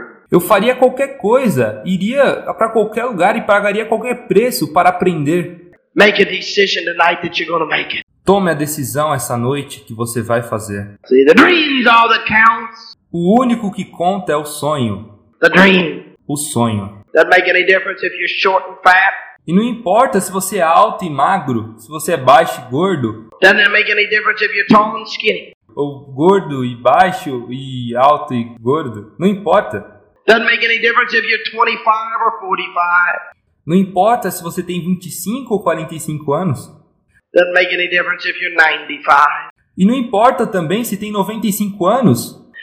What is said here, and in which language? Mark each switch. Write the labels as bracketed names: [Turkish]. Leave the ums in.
[Portuguese] Eu faria qualquer coisa, iria para qualquer lugar e pagaria qualquer preço para aprender. [English] Make a decision tonight that you're gonna make it. [Portuguese] Tome a decisão essa noite que você vai fazer. [English] See the all that counts. [Portuguese] O único que conta é o sonho. [English] The dream. [Portuguese] O sonho. [English] Doesn't make any difference if you're short and fat. [Portuguese] E não importa se você é alto e magro, se você é baixo e gordo. [English] Doesn't make any difference if you're tall and skinny. [Portuguese] Ou gordo e baixo e alto e gordo. Não importa. [English] Doesn't make any difference if you're 25 or 45. [Portuguese] Não importa se você tem 25 ou 45 anos. [English] Doesn't make any difference if you're 95. [Portuguese] E não importa também se tem 95 anos.